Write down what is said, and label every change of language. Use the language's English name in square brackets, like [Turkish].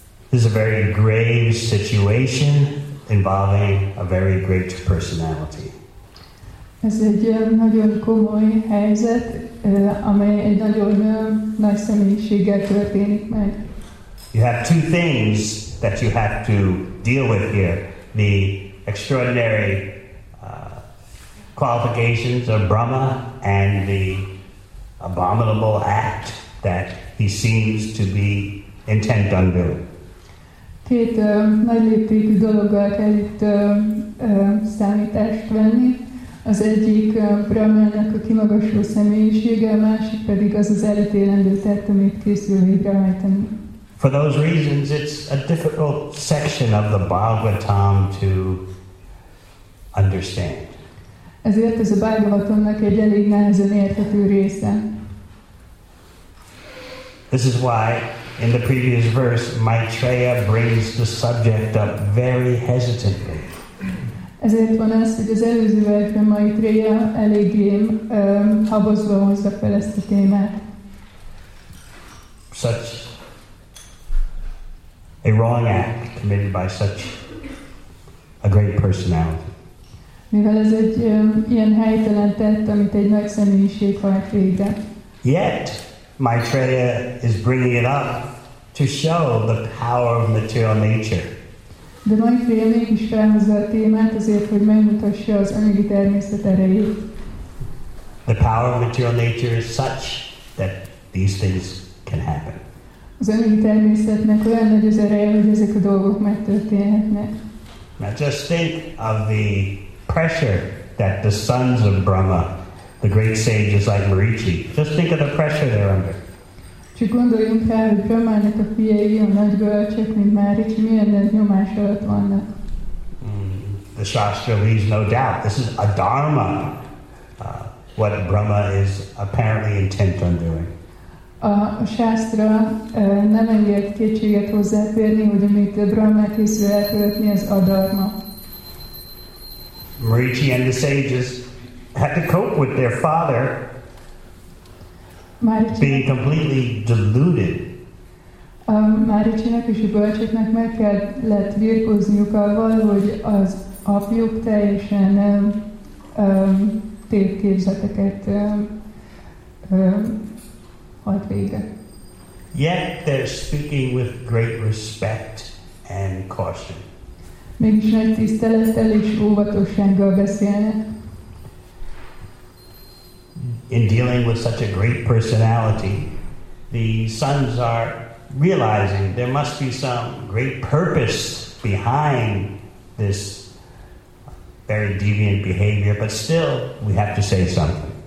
[English] This is a very grave situation involving a very great personality. [Hungarian] Ez egy nagyon komoly helyzet, amely egy nagyon nagy személyiséggel történik meg. [English] You have two things that you have to deal with here, the extraordinary qualifications of Brahma and the abominable act that he seems to be intent on doing. [Hungarian] Két nagy léptékű dologgal kell itt számítást venni. Az egyik Brahmának a kimagasló személyisége, a másik pedig az az elítélendő tett, amit készül végrehajtani. [English] For those reasons, it's a difficult section of the Bhagavatam to understand. [Hungarian] Ezért ez a Bhagavatamnak egy elég nehezen érthető része. [English] This is why, in the previous verse, Maitreya brings the subject up very hesitantly. [Hungarian] Ezért van az, hogy az előző versben Maitreya eléggé habozva hozza fel ezt a témát. [English] Such a wrong act committed by such a great personality. [Hungarian] Mivel ez egy ilyen helytelen tett, amit egy nagy személyiség hajt végre. [English] Yet Maitreya is bringing it up to show the power of material nature. [Hungarian] De Maitreya mégis felhozza a témát azért, hogy megmutassa az anyagi természet erejét. [English] The power of material nature is such that these things can happen. [Hungarian] Az anyagi természetnek olyan nagy az ereje, hogy ezek a dolgok megtörténhetnek. [English] Now just think of the pressure that the sons of Brahma, the great sages like Marici, just think of the pressure they're under. [Hungarian] Csak gondoljunk rá, hogy Brahmának a fiai, a nagy bölcsek, mint Marici, milyen nagy nyomás alatt vannak. [English] The Shastra leaves no doubt. This is a dharma, what Brahma is apparently intent on doing. [Hungarian] A Shastra nem engedt kétséget hozzáférni, hogy amit Brahma készül elkövetni, az a dharma. [English] Marici and the sages had to cope with their father being completely deluded. [Hungarian] Maricinek és a bölcseknek meg kellett virkózniuk avval, hogy az apjuk teljesen tévképzeteket halt végre. [English] Yet they're speaking with great respect and caution. [Hungarian] Mégis nagy tisztelettel és óvatossággal beszélnek. [English] In dealing with such a great personality, the sons are realizing there must be some great purpose behind this very deviant behavior, but still, we have to say something.